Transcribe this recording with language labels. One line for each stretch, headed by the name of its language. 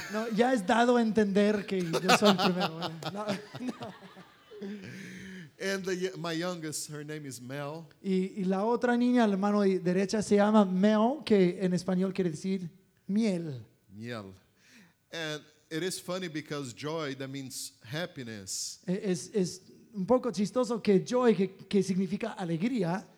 Spanish: No, ya es dado a entender que yo soy el primero. No, no.
English: And my youngest, her name is Mel.
Spanish: Y la otra niña, la mano derecha, se llama Mel, que en español quiere decir miel. Miel.
English: And it is funny because joy, that means happiness.
Spanish: Es un poco chistoso que joy, que significa alegría,